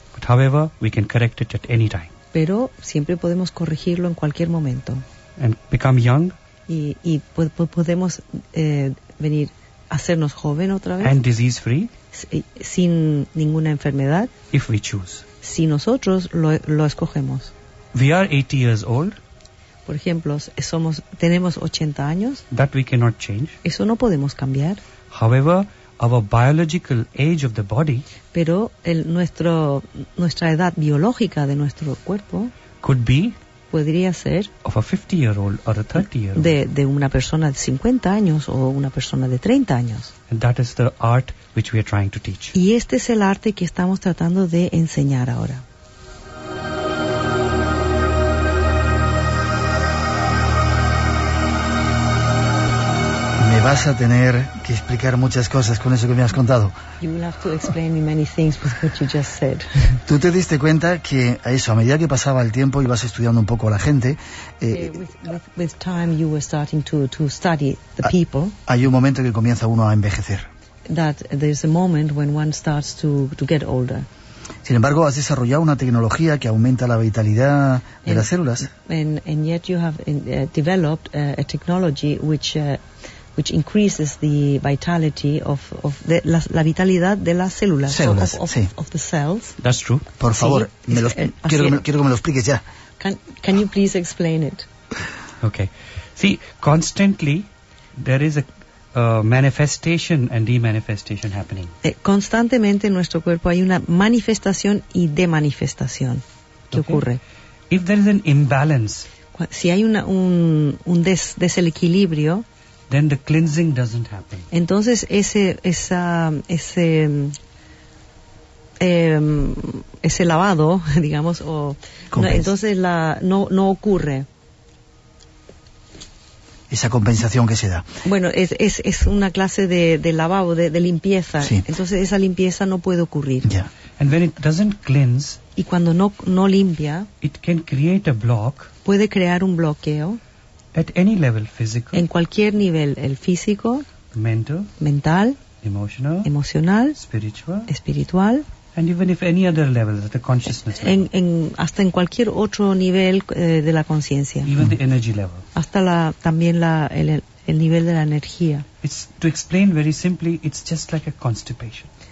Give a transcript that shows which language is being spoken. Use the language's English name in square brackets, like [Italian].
[English] But however, we can correct it at any time. [Spanish] Pero siempre podemos corregirlo en cualquier momento. [English] And become young. [Spanish] Y podemos venir a hacernos joven otra vez. [English] And disease free. [Spanish] Sin ninguna enfermedad. [English] If we choose. [Spanish] Si nosotros lo escogemos. [English] We are 80 years old. [Spanish] Por ejemplo, tenemos 80 años. [English] That we cannot change. [Spanish] Eso no podemos cambiar. [English] However, our biological age of the body. [Spanish] Pero nuestra edad biológica de nuestro cuerpo. [English] Could be. [Spanish] Podría ser. [English] Of a 50-year-old or a 30-year-old. [Spanish] De una persona de 50 años o una persona de 30 años. [English] And that is the art which we are trying to teach. [Spanish] Y este es el arte que estamos tratando de enseñar ahora. Me vas a tener que explicar muchas cosas con eso que me has contado. [English] You will have to explain me many things with what you just said. [Spanish] Tú te diste cuenta que eso, a medida que pasaba el tiempo, ibas estudiando un poco a la gente. [English] With time you were starting to study the people. [Spanish] Hay un momento que comienza uno a envejecer. [English] That there's a moment when one starts to get older. [Spanish] Sin embargo, has desarrollado una tecnología que aumenta la vitalidad de las células. [English] And yet you have developed a technology which increases the vitality of the, [Spanish] la vitalidad de las células. Células, [English] of the cells. That's true. [Spanish] Por favor, quiero que me lo expliques ya. [English] Can you please explain it? Okay. See, constantly there is a manifestation and demanifestation happening. [Spanish] Constantemente en nuestro cuerpo hay una manifestación y demanifestación que ocurre. [English] If there is an imbalance. [Spanish] Si hay un desequilibrio. [English] Then the cleansing doesn't happen. [Spanish] Entonces ese lavado, digamos, o no, entonces la no ocurre. Esa compensación que se da. Bueno, es una clase de lavado, de limpieza. Sí. Entonces esa limpieza no puede ocurrir. [English] Yeah. And when it doesn't cleanse, [Spanish] y cuando no limpia, [English] it can create a block. [Spanish] Puede crear un bloqueo. [English] At any level, physical, [Spanish] en cualquier nivel, el físico, [English] mental, [Spanish] emocional, espiritual, [English] and even if any other level, the consciousness level. [Spanish] Hasta en cualquier otro nivel de la conciencia, [English] even the energy level, [Spanish] hasta el nivel de la energía. [English] It's to explain very simply, it's just like a constipation.